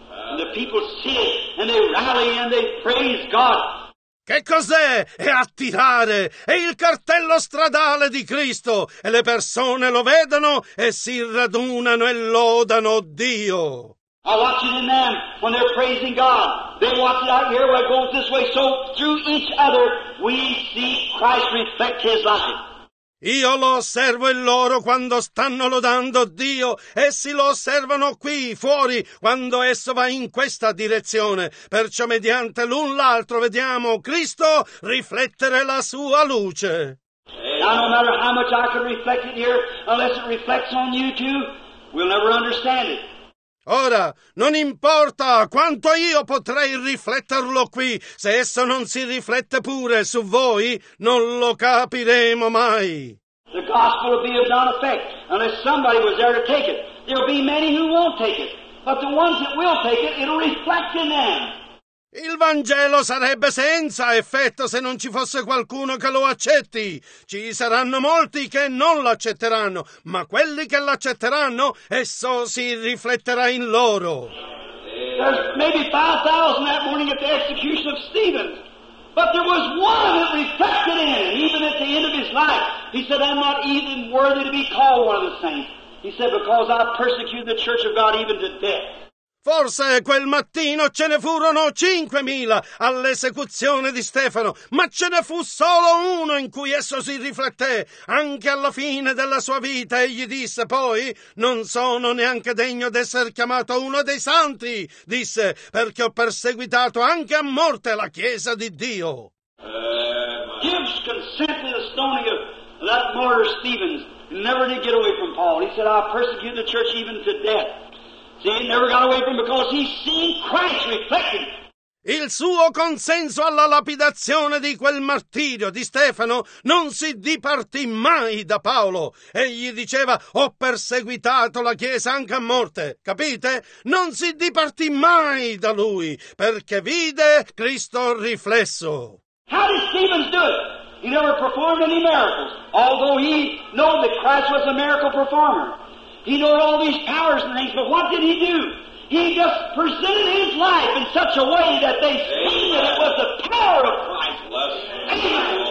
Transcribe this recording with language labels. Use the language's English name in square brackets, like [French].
[English] And the people see it and they rally and they praise God. [Italian] Che cos'è? È attirare, è il cartello stradale di Cristo, e le persone lo vedono e si radunano e lodano Dio. [English] I watch it in them when they're praising God. They watch it out here where it goes this way. So through each other we see Christ reflect his life. [Italian] Io lo osservo in loro quando stanno lodando Dio, essi lo osservano qui, fuori, quando esso va in questa direzione. Perciò mediante l'un l'altro vediamo Cristo riflettere la sua luce. [English] Now no matter how much I can reflect it here, unless it reflects on you too, we'll never understand it. [Italian] Ora, non importa quanto io potrei rifletterlo qui, se esso non si riflette pure su voi, non lo capiremo mai. [English] The gospel will be of none effect unless somebody was there to take it. There'll be many who won't take it, but the ones that will take it, it'll reflect in them. [Italian] Il Vangelo sarebbe senza effetto se non ci fosse qualcuno che lo accetti. Ci saranno molti che non l'accetteranno, ma quelli che l'accetteranno, esso si rifletterà in loro. [English] There's maybe 5,000 that morning at the execution of Stephen, but there was one that reflected in him, even at the end of his life. He said, I'm not even worthy to be called one of the saints. He said, because I persecuted the church of God even to death. [Italian] Forse quel mattino ce ne furono 5.000 all'esecuzione di Stefano, ma ce ne fu solo uno in cui esso si rifletté, anche alla fine della sua vita, egli disse poi: «Non sono neanche degno d'essere chiamato uno dei santi», disse, «perché ho perseguitato anche a morte la Chiesa di Dio». [English] Gives consent to the stoning of that martyr Stephen. Never did get away from Paul. He said, "I persecuted the church even to death." See, he never got away from him because he seen Christ reflected. [Italian] Il suo consenso alla lapidazione di quel martirio di Stefano non si dipartì mai da Paolo. Egli diceva: «Ho perseguitato la Chiesa anche a morte». Capite? Non si dipartì mai da lui, perché vide Cristo riflesso. [English] How did Stephen do it? He never performed any miracles, although he knew that Christ was a miracle performer. He knew all these powers and things, but what did he do? He just presented his life in such a way that they seen that it was the power of Christ.